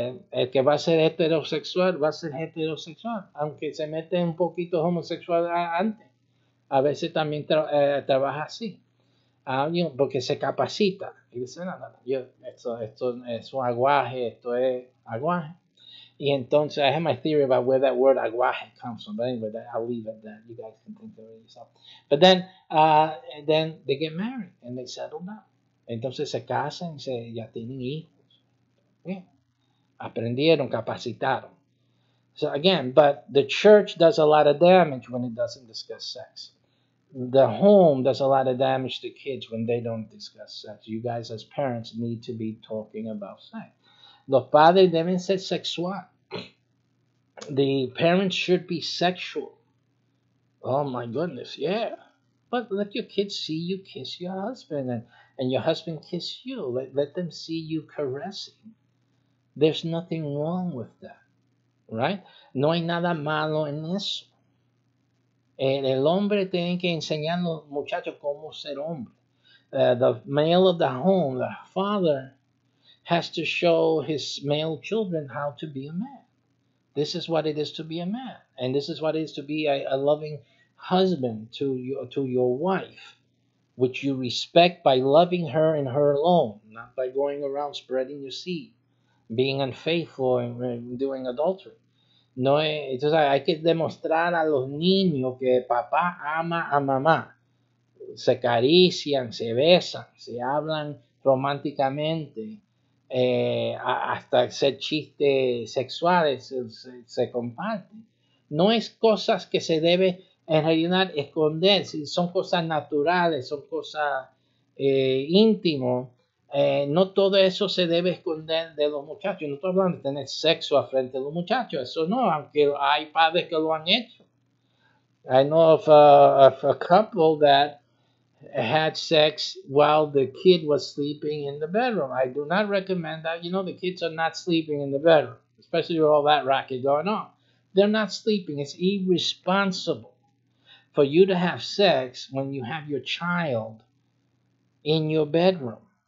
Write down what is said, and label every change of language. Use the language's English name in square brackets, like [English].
[Spanish] El que va a ser heterosexual va a ser heterosexual, aunque se mete un poquito homosexual antes, a veces también trabaja así, porque se capacita y dice, no, yo, esto es un aguaje, esto es aguaje. Y entonces, [English] I have my theory about where that word aguaje comes from, but anyway, I'll leave it there. You guys can think of it yourself. But then they get married and they settle down. [Spanish] Entonces se casan, ya tienen hijos. Yeah. Aprendieron, capacitaron. [English] So again, but the church does a lot of damage when it doesn't discuss sex. The home does a lot of damage to kids when they don't discuss sex. You guys as parents need to be talking about sex. [Spanish] Los padres deben ser sexual. [English] The parents should be sexual. Oh my goodness, yeah. But let your kids see you kiss your husband and your husband kiss you. Let them see you caressing. There's nothing wrong with that, right? [Spanish] No hay nada malo en eso. El hombre tiene que enseñar a los muchachos cómo ser hombre. [English] The male of the home, the father, has to show his male children how to be a man. This is what it is to be a man. And this is what it is to be a loving husband to your wife, which you respect by loving her and her alone, not by going around spreading your seed. Being unfaithful and doing adultery. [Spanish] No, entonces hay que demostrar a los niños que papá ama a mamá. Se acarician, se besan, se hablan románticamente, hasta hacer chistes sexuales se comparten. No es cosas que se debe en realidad esconder. Son cosas naturales, son cosas íntimos. No todo eso se debe esconder de los muchachos. No estoy hablando de tener sexo a frente de los muchachos. Eso no, aunque hay padres que lo han hecho. [English] I know of a couple that had sex while the kid was sleeping in the bedroom. I do not recommend that. You know, the kids are not sleeping in the bedroom, especially with all that racket going on. They're not sleeping. It's irresponsible for you to have sex when you have your child in your bedroom.